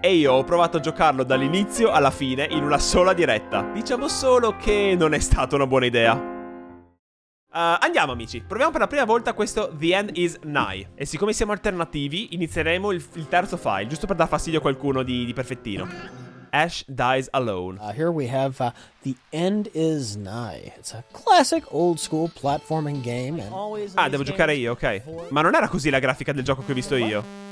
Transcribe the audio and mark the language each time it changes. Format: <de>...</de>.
<it>E io ho provato a giocarlo dall'inizio alla fine in una sola diretta. Diciamo solo che non è stata una buona idea. Andiamo amici, proviamo per la prima volta questo The End Is Nigh. E siccome siamo alternativi, inizieremo il terzo file, giusto per dar fastidio a qualcuno di perfettino.</it> <en>Ash Dies Alone. Here we have The End Is Nigh. It's a classic old school platforming game. And...</en> <it>Ah, devo giocare io, ok. Ma non era così la grafica del gioco che ho visto io?</it>